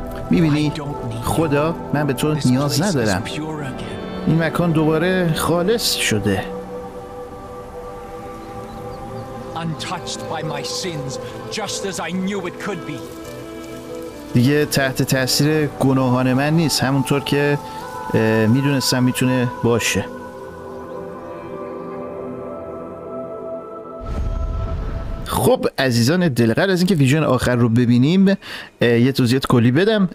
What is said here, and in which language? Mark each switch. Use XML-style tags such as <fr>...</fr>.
<fa>میبینی خدا، من به تو نیاز ندارم، این مکان دوباره خالص شده.</fa> <en>Untouched by my sins, just as I knew it could be.</en> <fa>دیگه تحت تأثیر گناهان من نیست، همونطور که میدونستم میتونه باشه. خب عزیزان دلقدر، از اینکه ویژن آخر رو ببینیم یه توضیحات کلی بدم.</fa>